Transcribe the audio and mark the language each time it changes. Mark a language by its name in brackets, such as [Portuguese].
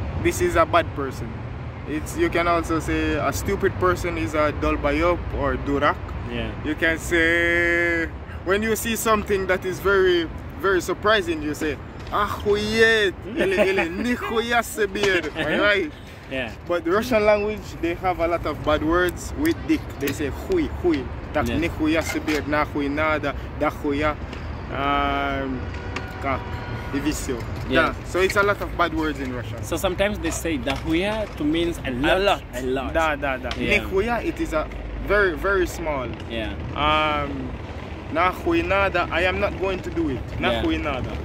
[English] This is a bad person. You can also say a stupid person is a Dolbayop or Durak. Yeah. You can say, when you see something that is very, very surprising, you say, [Russian] Ахуеть! Или нихуя себе! [English] Right? Yeah. But the Russian language, they have a lot of bad words with dick. They say хуй. [Russian] Так нихуя себе, нахуй надо, да хуя. Как? И висел. [English] Yeah. So it's a lot of bad words in Russian. So sometimes they say [Russian] да хуя [English] to mean a lot. [Russian] Да. Нихуя, [English] it is a very, very small. Yeah. [Russian] Нахуй надо, [English] I am not going to do it. Нахуй надо.